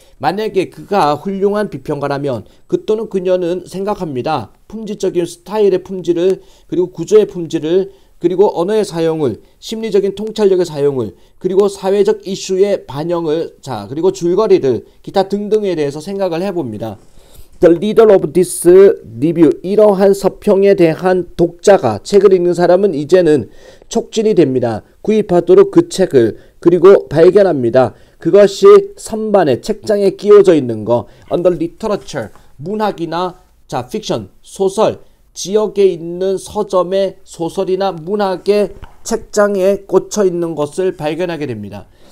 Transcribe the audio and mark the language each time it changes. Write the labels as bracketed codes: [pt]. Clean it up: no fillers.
[ko] 만약에 그가 훌륭한 비평가라면, 그 또는 그녀는 생각합니다. 품질적인 스타일의 품질을, 그리고 구조의 품질을, 그리고 언어의 사용을, 심리적인 통찰력의 사용을, 그리고 사회적 이슈의 반영을, 자, 그리고 줄거리를, 기타 등등에 대해서 생각을 해봅니다. [en] The leader of this review. [ko] 이러한 서평에 대한 독자가, 책을 읽는 사람은 이제는 촉진이 됩니다. 구입하도록 그 책을, 그리고 발견합니다. 그것이 선반에, 책장에 끼워져 있는 거. [en] Under literature. [ko] 문학이나, 자, fiction. 소설. 지역에 있는 서점에 소설이나 문학의 책장에 꽂혀 있는 것을 발견하게 됩니다.